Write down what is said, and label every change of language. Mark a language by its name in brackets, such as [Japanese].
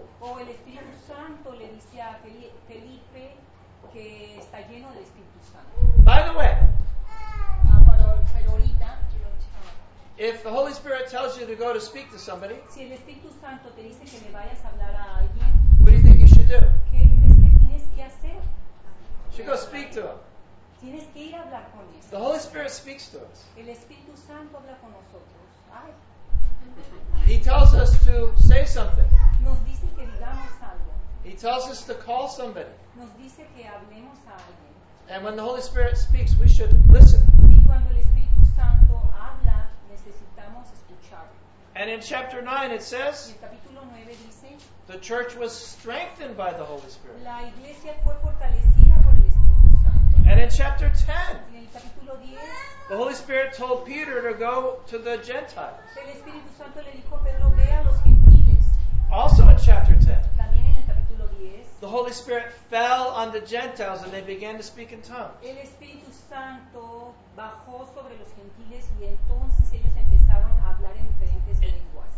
[Spanish] Oh, el Espíritu Santo le dice a Felipe que está lleno del Espíritu Santo. [English] By the way, [Spanish] ahorita, [English] if the Holy Spirit tells you to go to speak to somebody, [Spanish] si el Espíritu Santo te dice que le vayas a hablar a alguien, [English] what do you think you should do? [Spanish] ¿Qué crees que tienes que hacer? [English] You should go speak to him. [Spanish] Tienes que ir a hablar con él. [English] The Holy Spirit speaks to us. [Spanish] El Espíritu Santo habla con nosotros. Ay. [English] He tells us to say something. [Spanish] Nos dice que digamos algo. [English] He tells us to call somebody. [Spanish] Nos dice que hablemos a alguien. [English] And when the Holy Spirit speaks, we should listen. [Spanish] Y cuando el Espíritu Santo habla, necesitamos escuchar. [English] And in chapter 9 it says, [Spanish] y el capítulo 9 dice, [English] the church was strengthened by the Holy Spirit. [Spanish] La iglesia fue fortalecida por el Espíritu Santo. [English] And in chapter 10, [Spanish] y el capítulo 10, [English] the Holy Spirit told Peter to go to the Gentiles. [Spanish] El Espíritu Santo le dijo a Pedro, ve a los gentiles. [English] Also in chapter 10. [Spanish] También en el capítulo 10. [English] The Holy Spirit fell on the Gentiles and they began to speak in tongues. [Spanish] El Espíritu Santo bajó sobre los gentiles y entonces ellos empezaron a hablar en diferentes lenguas.